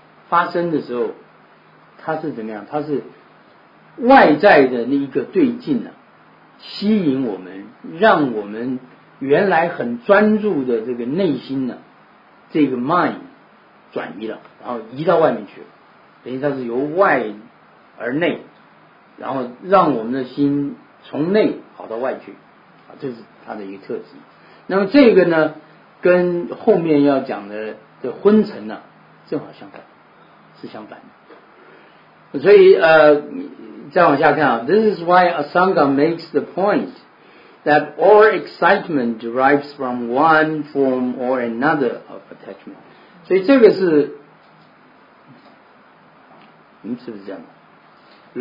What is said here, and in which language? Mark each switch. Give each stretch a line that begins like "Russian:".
Chinese: 发生的时候，它是怎么样？它是外在的那一个对境啊，吸引我们，让我们原来很专注的这个内心呢、啊，这个 mind 转移了，然后移到外面去了，等于它是由外而内，然后让我们的心从内跑到外去，啊，这是它的一个特质。那么这个呢，跟后面要讲的这昏沉呢、啊，正好相反，是相反的。所以再往下看啊
English: ，This is why Asanga makes the point that all excitement derives from one form or another of attachment。
Chinese: 所以这个是，你们是不是这样的？